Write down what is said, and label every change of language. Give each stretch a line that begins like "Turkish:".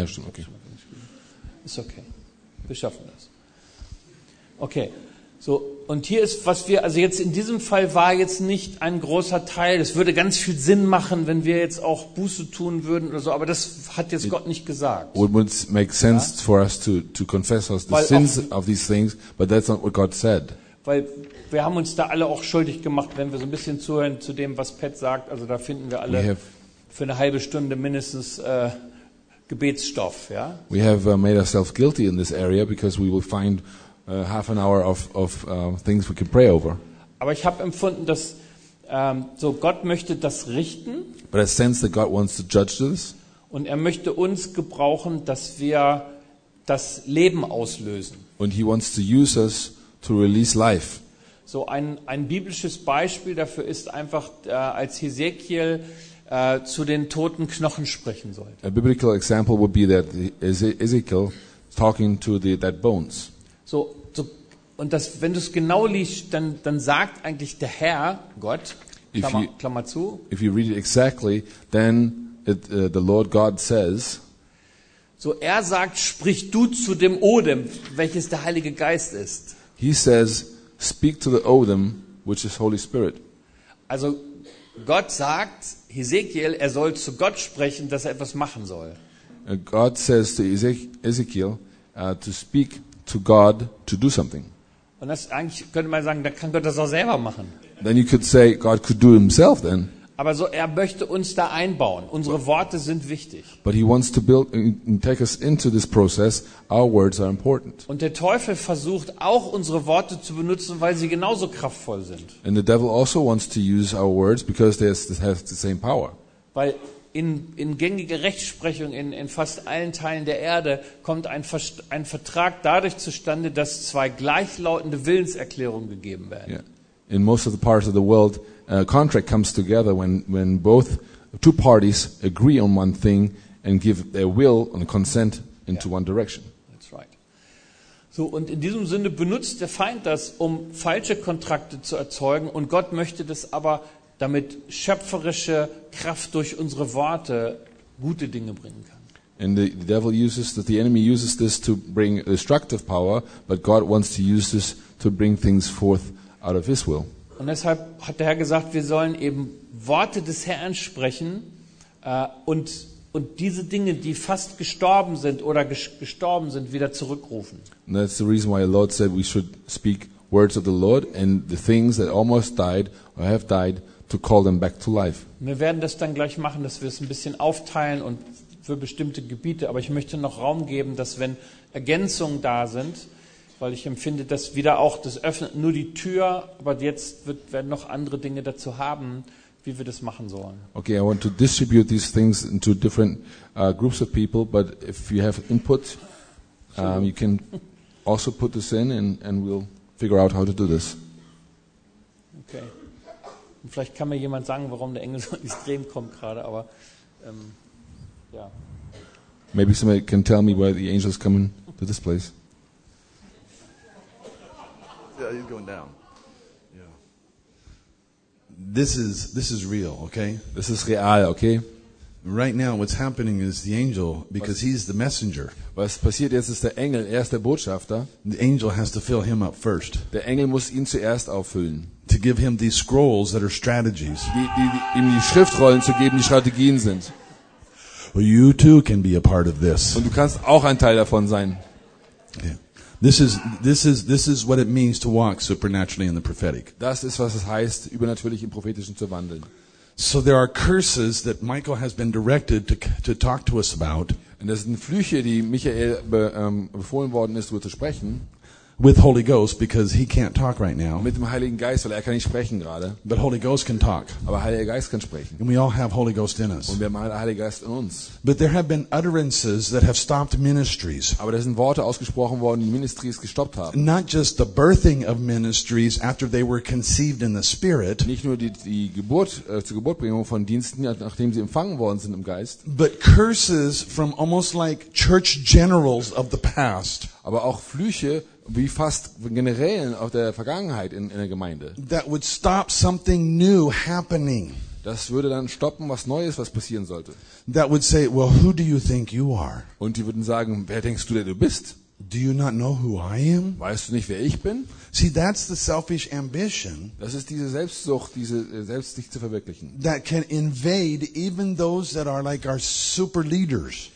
German: Ja, stimmt, okay. Ist okay. Wir schaffen das. Okay. So, und hier ist, was wir, also jetzt in diesem Fall war jetzt nicht ein großer Teil, es würde ganz viel Sinn machen, wenn wir jetzt auch Buße tun würden oder so, aber das hat jetzt Gott nicht gesagt.
English: It would make sense, ja, for us to confess us the sins of these things, but that's not what God said.
German: Weil wir haben uns da alle auch schuldig gemacht, wenn wir so ein bisschen zuhören zu dem, was Pat sagt, also da finden wir alle für eine halbe Stunde mindestens Gebetsstoff, ja.
English: We have made ourselves guilty in this area because we will find half an hour of things we can pray over.
German: Aber ich habe empfunden, dass so Gott möchte das richten.
English: But I sense that God wants to judge this.
German: Und er möchte uns gebrauchen, dass wir das Leben auslösen.
English: And he wants to use us to release life.
German: So ein biblisches Beispiel dafür ist einfach, als Hesekiel zu den toten Knochen sprechen sollte.
English: A biblical example would be that Ezekiel talking to the dead bones.
German: So und das, wenn du es genau liest, dann sagt eigentlich der Herr Gott, Klammer zu.
English: If you read it exactly, then it, the Lord God says.
German: So er sagt, sprich du zu dem Odem, welches der Heilige Geist ist.
English: He says, speak to the Odem, which is Holy Spirit.
German: Also Gott sagt Hesekiel, er soll zu Gott sprechen, dass er etwas machen soll.
English: God says to Ezekiel to speak to God to do something.
German: Und das eigentlich könnte man sagen, da kann Gott das auch selber machen.
English: Then you could say God could do himself then.
German: Aber so er möchte uns da einbauen. Unsere Worte sind wichtig.
English: But he wants to build and take us into this process. Our words are important.
German: Und der Teufel versucht auch unsere Worte zu benutzen, weil sie genauso kraftvoll sind.
English: And the devil also wants to use our words because they have the same power.
German: Weil in gängiger Rechtsprechung in fast allen Teilen der Erde kommt ein Vertrag dadurch zustande, dass zwei gleichlautende Willenserklärungen gegeben werden.
English: Yeah. In most of the parts of the world, a contract comes together when both two parties agree on one thing and give their will and consent into one direction. That's right.
German: So, und in diesem Sinne benutzt der Feind das, um falsche Kontrakte zu erzeugen, und Gott möchte das aber, damit schöpferische Kraft durch unsere Worte gute Dinge bringen kann.
English: And the devil uses that, the enemy uses this to bring destructive power, but God wants to use this to bring things forth out of his will.
German: Und deshalb hat der Herr gesagt, wir sollen eben Worte des Herrn sprechen, und diese Dinge, die fast gestorben sind oder gestorben sind, wieder zurückrufen.
English: And that's the reason why the Lord said we should speak words of the Lord and the things that almost died or have died to call them back to life.
German: Wir werden das dann gleich machen, dass wir es ein bisschen aufteilen und für bestimmte Gebiete, aber ich möchte noch Raum geben, dass wenn Ergänzungen da sind, weil ich empfinde, dass wieder auch das öffnet nur die Tür, aber jetzt werden noch andere Dinge dazu haben, wie wir das machen sollen.
English: Okay, I want to distribute these things into different groups of people, but if you have input, you can also put this in and we'll figure out how to do this. Okay.
German: Und vielleicht kann mir jemand sagen, warum der Engel so extrem kommt gerade, aber ja.
English: Maybe somebody can tell me why the angel is coming to this place. Yeah, he's going down. Yeah. This is real, okay? This is real, okay? Right now what's happening is the angel, because he's the messenger.
German: Was passiert jetzt ist der Engel, er ist der Botschafter.
English: The angel has to fill him up first.
German: Der Engel muss ihn zuerst auffüllen.
English: To give him these scrolls that are strategies.
German: Ihm die Schriftrollen zu geben, die Strategien sind.
English: Well, you too can be a part of this.
German: Und du kannst auch ein Teil davon sein.
English: Yeah. This is what it means to walk supernaturally in the prophetic.
German: Das ist, was es heißt, übernatürlich im Prophetischen zu wandeln.
English: So there are curses that Michael has been directed to talk to us about.
German: Und das sind Flüche, die Michael befohlen worden ist, darüber zu sprechen.
English: with Holy Ghost because he can't talk right now.
German: Mit dem Heiligen Geist, weil er kann nicht sprechen gerade.
English: But Holy Ghost can talk.
German: Aber Heiliger Geist kann sprechen.
English: And we all have Holy Ghost in us.
German: Und wir haben alle Heiligen Geist in uns.
English: But there have been utterances that have stopped ministries.
German: Aber da sind Worte ausgesprochen worden, die Ministries gestoppt haben.
English: Not just the birthing of ministries after they were conceived in the Spirit.
German: Nicht nur die Geburt zur Geburtbringung von Diensten, nachdem sie empfangen worden sind im Geist.
English: But curses from almost like church generals of the past.
German: Aber auch Flüche wie fast Generälen auf der Vergangenheit in der Gemeinde.
English: That would stop something new happening.
German: Das würde dann stoppen, was Neues, was passieren sollte.
English: That would say, well, who do you think you are?
German: Und die würden sagen, wer denkst du, der du bist?
English: Do you not know who I am?
German: Weißt du nicht, wer ich bin?
English: See, that's the selfish ambition.
German: Das ist diese Selbstsucht, diese selbst sich zu verwirklichen.
English: That can invade even those that are like our super leaders.